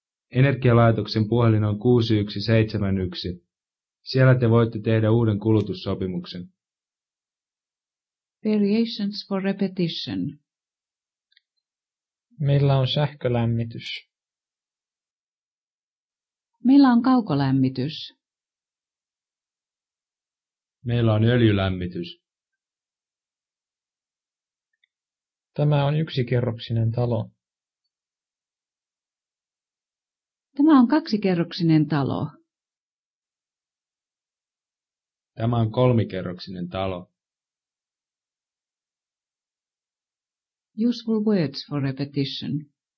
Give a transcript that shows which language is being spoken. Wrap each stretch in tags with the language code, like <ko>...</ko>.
<fi>Energialaitoksen puhelin on 6171. Siellä te voitte tehdä uuden kulutussopimuksen.</fi> <en>Variations for repetition.</en> <fi>Meillä on sähkölämmitys. Meillä on kaukolämmitys. Meillä on öljylämmitys. Tämä on yksikerroksinen talo. Tämä on kaksikerroksinen talo. Tämä on kolmikerroksinen talo.</fi> <en>Useful words for repetition.</en>